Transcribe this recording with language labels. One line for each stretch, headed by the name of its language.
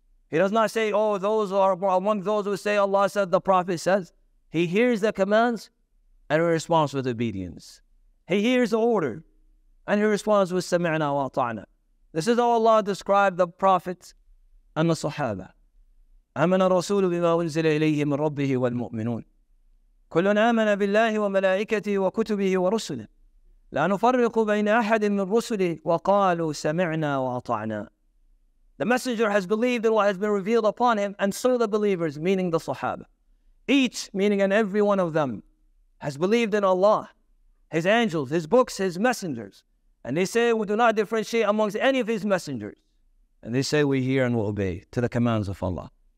English: He does not say, oh, those are among those who say Allah said, the Prophet says. He hears the commands and he responds with obedience. He hears the order and he responds with
Arabic: سمعنا وأطعنا.
English: This is how Allah described the Prophet and the Sahaba.
Arabic: آمن الرسول بما أنزل إليه من ربه والمؤمنون كل آمن بالله وملائكته وكتبه ورسله لا نفرق بين أحد من رسله وقالوا سمعنا وأطعنا.
English: The messenger has believed in what has been revealed upon him, and so the believers, meaning the Sahaba, each meaning and every one of them, has believed in Allah, His angels, His books, His messengers, and they say we do not differentiate amongst any of His messengers, and they say we hear and we obey to the commands of Allah.